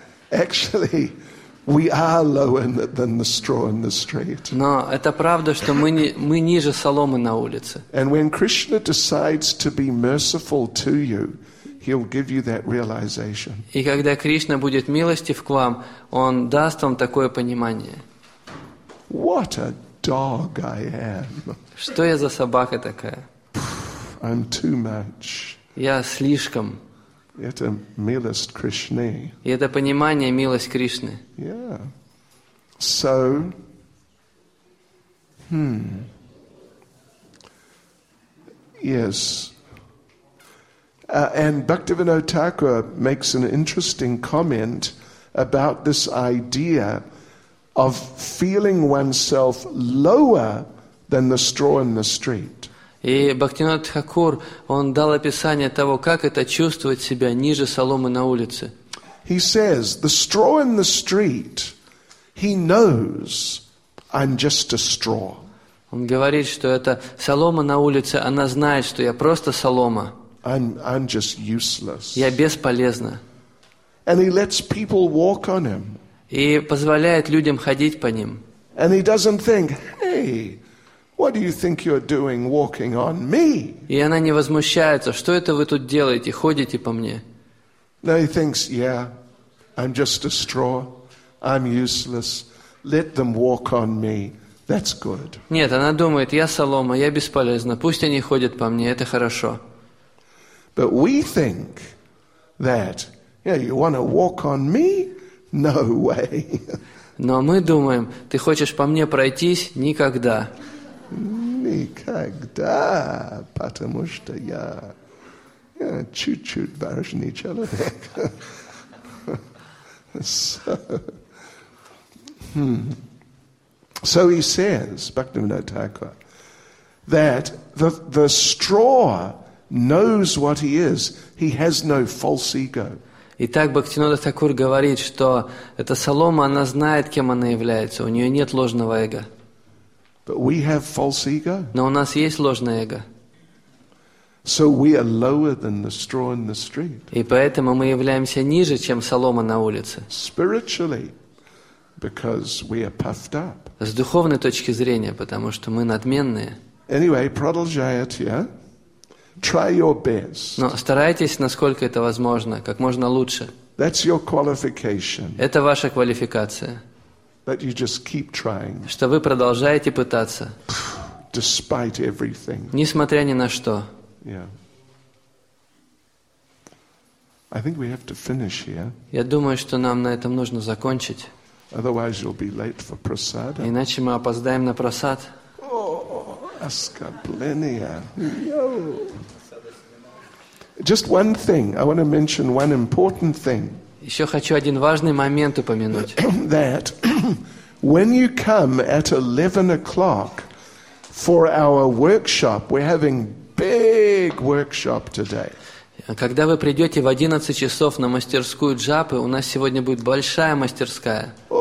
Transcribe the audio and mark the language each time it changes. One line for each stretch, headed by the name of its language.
English: Actually, we are lower than the straw in the street.
Russian: Но это правда, что мы ниже соломы на улице.
English: And when Krishna decides to be merciful to you, He'll give you that realization.
Russian: И когда Кришна будет милостив к вам, Он даст вам такое понимание.
English: What a dog I am.
Russian: Что я за собака такая?
English: I'm too much.
Russian: Я слишком. Это милость Кришны. И это понимание милость Кришны.
English: Yeah. So, Yes. And Bhaktivinoda Thakur makes an interesting comment about this idea of feeling oneself lower than the straw in the street.
Russian: И Бхактивинода Тхакур, он дал описание того, как это чувствовать себя ниже соломы на улице.
English: He says, the straw in the street, he knows I'm just a straw.
Russian: Он говорит, что это солома на улице, она знает, что я просто солома.
English: I'm just useless.
Russian: Я бесполезна.
English: And he lets people walk on him.
Russian: И позволяет людям ходить по ним.
English: And he doesn't think, hey, what do you think you're doing walking on me?
Russian: И она не возмущается, что это вы тут делаете, ходите по мне?
English: No, he thinks, yeah, I'm just a straw, I'm useless, let them walk on me, that's good.
Russian: Нет, она думает, я солома, я бесполезна, пусть они ходят по мне, это хорошо.
English: But we think that, yeah, you want to walk on me? No way.
Russian: Но мы думаем, ты хочешь по мне пройтись? Никогда. Никогда, потому что я чуть-чуть важный человек.
English: So he says, Bhaktivinoda Thakur, that the straw knows what he is. He has no false ego.
Russian: Итак, Бхактинода Такур говорит, что эта солома, она знает, кем она является. У нее нет ложного эго.
English: But we have false ego.
Russian: Но у нас есть ложное эго.
English: So we are lower than the straw in the street.
Russian: И поэтому мы являемся ниже, чем солома на улице.
English: Spiritually, because we are puffed up.
Russian: С духовной точки зрения, потому что мы надменные.
English: Anyway,
Russian: продолжает,
English: yeah? Try your best.
Russian: Но старайтесь, насколько это возможно, как можно лучше.
English: That's your qualification.
Russian: Это ваша квалификация.
English: But you just keep trying.
Russian: Что вы продолжаете пытаться.
English: Despite everything.
Russian: Несмотря ни на что.
English: Yeah. I think we have to finish here.
Russian: Я думаю, что нам на этом нужно закончить.
English: Otherwise you'll be late for prasada.
Russian: Иначе мы опоздаем на просад. Оскопления.
English: Just one thing. I want to mention one important thing.
Russian: Еще хочу один важный момент упомянуть.
English: That when you come at 11 o'clock for our workshop, we're having big workshop today.
Russian: Когда вы придете в 11 часов на мастерскую Джапы, у нас сегодня будет большая мастерская.